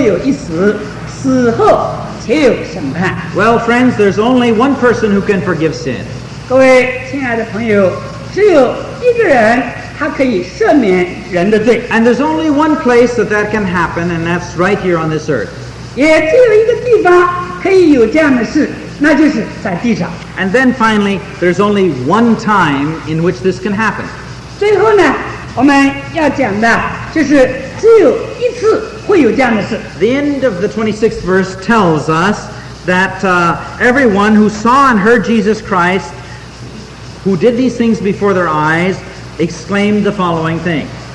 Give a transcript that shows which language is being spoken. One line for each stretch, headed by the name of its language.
Chinese: 那一节圣经告诉我们说，按着定命，人人都有一死，死后且有审判。
English: Well, friends, there's only one person who can forgive sin.
Chinese: 各位亲爱的朋友，只有一个人，他可以赦免人的罪。
English: And there's only one place that that can happen, and that's right here on this earth.
Chinese: 也只有一个地方可以有这样的事，那就是在地上。
English: And then finally, there's only one time in which this can happen.
Chinese: 最后呢，我们要讲的就是只有一次会有这样的事。
English: The end of the 26th verse tells us that everyone who saw and heard Jesus Christ, who did these things before their eyes, exclaimed the following thing.